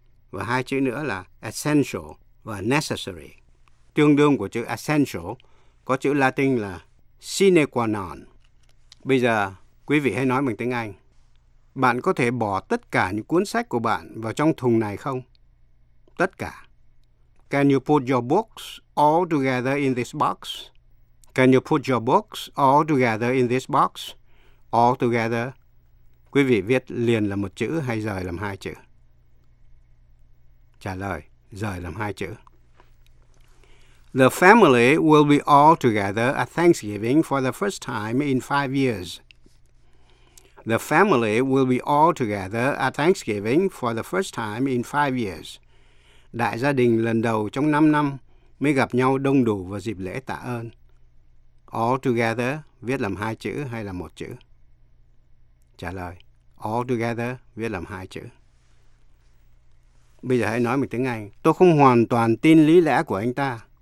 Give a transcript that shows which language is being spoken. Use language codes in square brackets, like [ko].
[vi] Và hai chữ nữa là essential và necessary. Tương đương của chữ essential có chữ Latin là sine qua non. Bây giờ, quý vị hãy nói bằng tiếng Anh. Bạn có thể bỏ tất cả những cuốn sách của bạn vào trong thùng này không? Tất cả. [en] Can you put your books all together in this box? Can you put your books all together in this box? All together. [vi] Quý vị viết liền là một chữ hay rời làm hai chữ? Trả lời, rời làm hai chữ. [en] The family will be all together at Thanksgiving for the first time in 5 years. The family will be all together at Thanksgiving for the first time in 5 years. [vi] Đại gia đình lần đầu trong 5 năm mới gặp nhau đông đủ vào dịp lễ tạ ơn. All together viết làm hai chữ hay là một chữ? Trả lời, all together viết làm hai chữ. Bây giờ hãy nói một tiếng Anh. Tôi không hoàn toàn tin lý lẽ của anh ta.